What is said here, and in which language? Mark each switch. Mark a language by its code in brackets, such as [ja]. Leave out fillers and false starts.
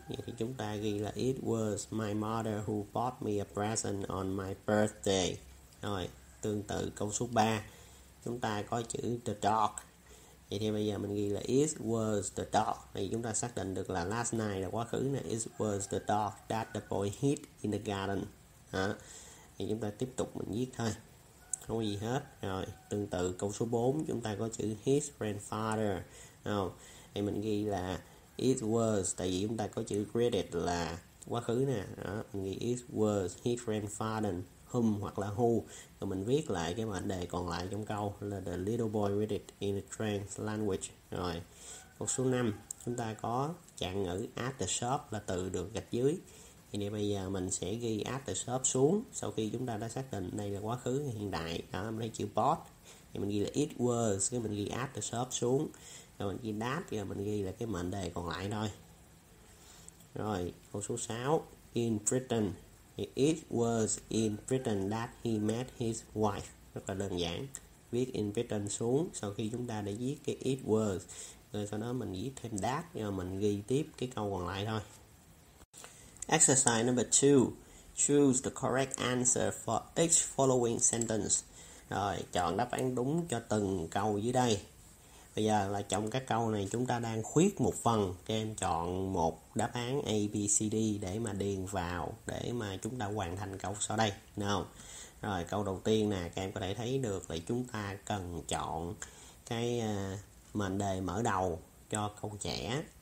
[vi] Vậy thì chúng ta ghi là [en] it was my mother who bought me a present on my birthday. [vi] Rồi, tương tự câu số 3, chúng ta có chữ the dog. Vậy thì bây giờ mình ghi là [en] it was the dog. [vi] Thì chúng ta xác định được là last night là quá khứ nè. [en] It was the dog that the boy hit in the garden. Hả? [vi] Thì chúng ta tiếp tục mình viết thôi, không có gì hết. Rồi tương tự câu số 4, chúng ta có chữ his grandfather. Rồi, thì mình ghi là it was, tại vì chúng ta có chữ credit là quá khứ nè. Đó, mình ghi [en] it was his grandfather whom [vi] hoặc là who. Rồi mình viết lại cái mệnh đề còn lại trong câu là [en] the little boy read it in a strange language. [vi] Rồi câu số 5, chúng ta có trạng ngữ at the shop là từ được gạch dưới. Thì bây giờ mình sẽ ghi at the shop xuống sau khi chúng ta đã xác định đây là quá khứ hiện đại. Đó, mình lấy chữ bought thì mình ghi là it was, cái mình ghi at the shop xuống, rồi mình ghi that, thì mình ghi là cái mệnh đề còn lại thôi. Rồi câu số 6, [en] in Britain, it was in Britain that he met his wife. [vi] Rất là đơn giản, viết in Britain xuống sau khi chúng ta đã viết cái it was, rồi sau đó mình viết thêm that, rồi mình ghi tiếp cái câu còn lại thôi. [en] Exercise number 2. Choose the correct answer for each following sentence. [vi] Rồi, chọn đáp án đúng cho từng câu dưới đây. Bây giờ là trong các câu này chúng ta đang khuyết một phần. Các em chọn một đáp án A, B, C, D để mà điền vào, để mà chúng ta hoàn thành câu sau đây. Nào, rồi câu đầu tiên nè, các em có thể thấy được là chúng ta cần chọn cái mệnh đề mở đầu cho câu trẻ.